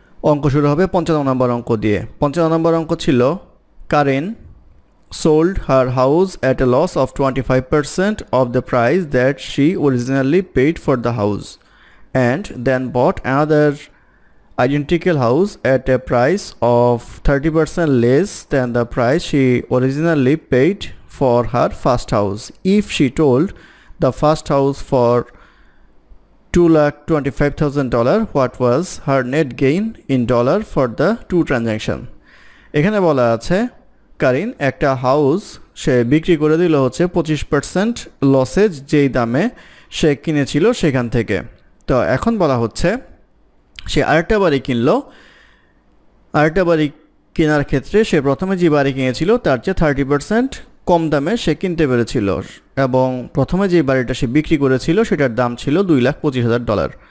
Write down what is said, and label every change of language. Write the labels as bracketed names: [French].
[Bangla] অঙ্ক শুরু হবে 55 নম্বর অঙ্ক দিয়ে। 55 নম্বর অঙ্ক ছিল, [English] Karen sold her house at a loss of 25% of the price that she originally paid for the house and then bought another identical house at a price of 30% less than the price she originally paid for her first house. If she sold the first house for $225,000, what was her net gain in dollar for the two transaction? [Bangla] এখানে বলা আছে Karine একটা house সে বিক্রি করে দিল হচ্ছে 25% লসেজ যেই দামে সে কিনেছিল সেখান থেকে। তো এখন বলা হচ্ছে সে আরেকটা বাড়ি কিনল। আরেকটা বাড়ি কেনার ক্ষেত্রে সে প্রথমে যে বাড়ি কিনেছিল তার চেয়ে 30% কম দামে সে কিনতে পেরেছিল এবং প্রথমে যে বাড়িটা সে বিক্রি করেছিল সেটার দাম ছিল $225,000।